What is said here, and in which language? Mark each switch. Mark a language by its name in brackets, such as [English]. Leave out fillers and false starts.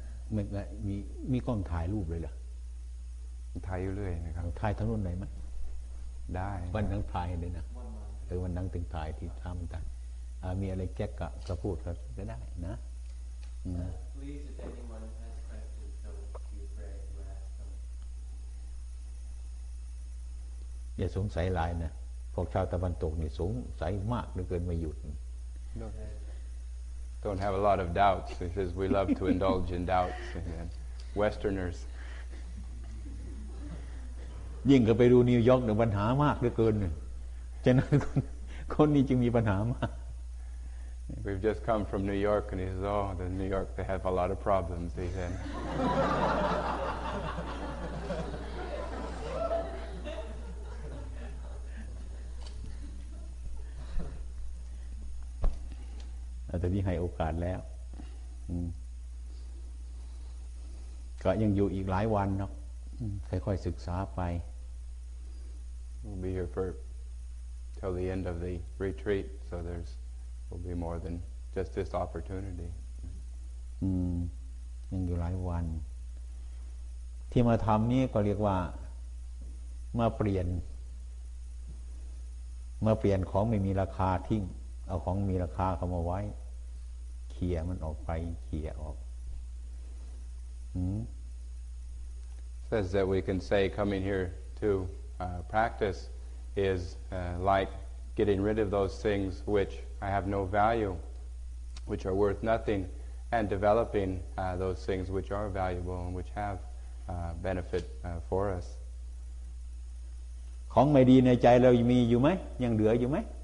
[Thai] เหมือนกับมีกล้องถ่ายรูปเลยเหร อถ่ายอยู่เรื่อยนะครับ ถ่ายทั้งรุ่นไหนไหม ได้ วันนั้งถ่ายเลยนะหรือวันนั้งถึงถ่ายที่ทำกันมีอะไรแจ็คก็พูดก็ได้นะ [English] Please, if anyone has questions, don't be afraid to ask them. [Thai] อย่าสงสัยหลายนะพวกชาวตะวันตกนี่สงสัยมากเหลือเกินไม่หยุด [English] Don't have a lot of doubts because we love to indulge in doubts and Westerners [Thai] ยิ่งก็ไปดูนิวยอร์กเนี่ยปัญหามากเหลือเกินฉะนั้นคนนี้จึงมีปัญหามาก [English] We've just come from New York and he says oh the New York they have a lot of problems he said [Thai] แต่นี้ให้โอกาสแล้วก็ยังอยู่อีกหลายวันเนาะค่อยๆศึกษาไป [English] We'll be here for till the end of the retreat so there's will be more than just this opportunity [Thai] ยังอยู่หลายวันที่มาทำนี่ก็เรียกว่ามาเปลี่ยนเมื่อเปลี่ยนของไม่มีราคาทิ้งเอาของมีราคาเข้ามาไว้เคลียร์มันออกไปเคลียร์ออก [English] Says that we can say coming here to practice is like getting rid of those things which I have no value which are worth nothing and developing those things which are valuable and which have benefit for us [Thai] ของไม่ดีในใจเรามีอยู่ไหมยังเหลืออยู่ไหม